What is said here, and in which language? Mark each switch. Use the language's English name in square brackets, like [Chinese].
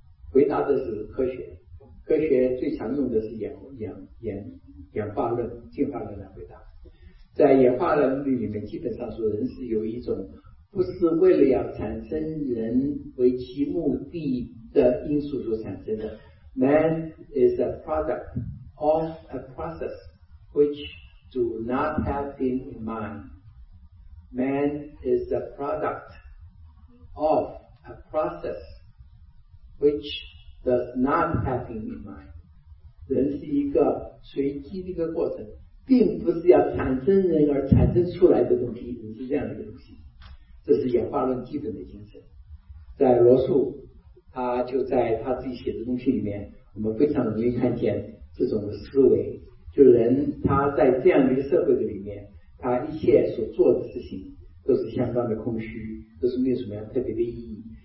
[Chinese] 回答的是科学。科学最常用的是演化论、进化论来回答。在演化论里面基本上说，人是有一种不是为了要产生人为其目的的因素所产生的。 [English] Man is a productof a process which do not have been in mind. Man is the product of a process which does not have been in mind. [Chinese] 人是一个随机的一个过程，并不是要产生人而产生出来的东西，人是这样的一个东西。这是演化论基本的精神。在罗素，他就在他自己写的东西里面，我们非常容易看见这种的思维，就人他在这样的一个社会的里面，他一切所做的事情都是相当的空虚，都是没有什么样特别的意义。